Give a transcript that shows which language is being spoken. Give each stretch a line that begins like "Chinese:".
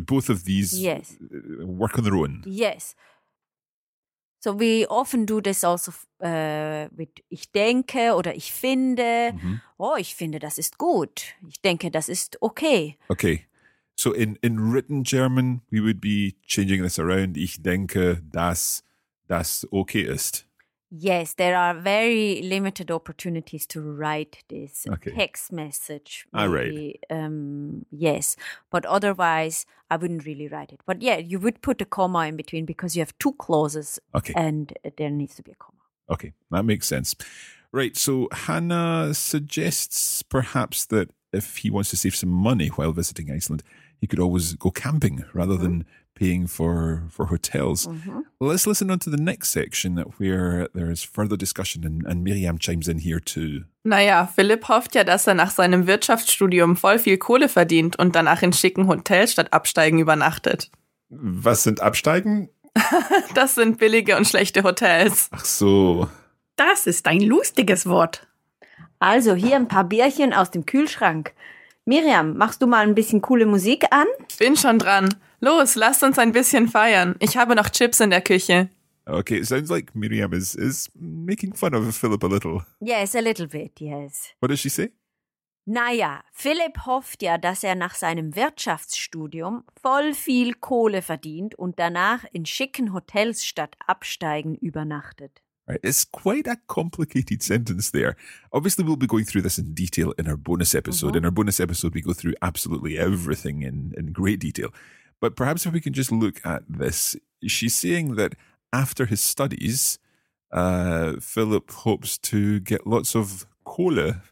English: Both of these work on their own. Yes. So we often do this also with
German: ich denke oder ich finde.
English: Mm-hmm.
German: Oh, ich finde, das ist gut. Ich denke, das ist okay.
English: Okay. So in written German, we would be changing this around.
German: Ich denke, dass das okay ist.
English: Yes, there are very limited opportunities to write this text message. Maybe. I write. Yes, but otherwise I wouldn't really write it. But yeah, you would put a comma in between because you have two clauses and there needs to be a comma. Okay, that makes sense. Right, so Hannah suggests perhaps that if he wants to save some money while visiting Iceland, he could always go camping rather mm-hmm. than paying for hotels. Mm-hmm. Well, let's listen on to the next section where there is further discussion and Miriam chimes in here too.
German: Naja, Philipp hofft ja, dass nach seinem Wirtschaftsstudium voll viel Kohle verdient und danach in schicken Hotels statt Absteigen übernachtet. Was sind Absteigen? Das sind billige und schlechte Hotels. Ach so. Das ist ein lustiges Wort. Also, hier ein paar Bierchen aus dem Kühlschrank. Miriam, machst du mal ein bisschen coole Musik an? Bin schon dran. Los, lasst uns ein bisschen feiern. Ich habe noch Chips in der Küche.
English: Okay, it sounds like Miriam is making fun of Philip a little. Yes, a little bit, yes. What does she say?
German: Naja, Philipp hofft ja, dass nach seinem Wirtschaftsstudium voll viel Kohle verdient und danach in schicken Hotels statt Absteigen übernachtet.
English: It's quite a complicated sentence there. Obviously, we'll be going through this in detail in our bonus episode. Mm-hmm. In our bonus episode, we go through absolutely everything in great detail. But perhaps if we can just look at this, she's saying that after his studies, Philip hopes to get lots of Kohle.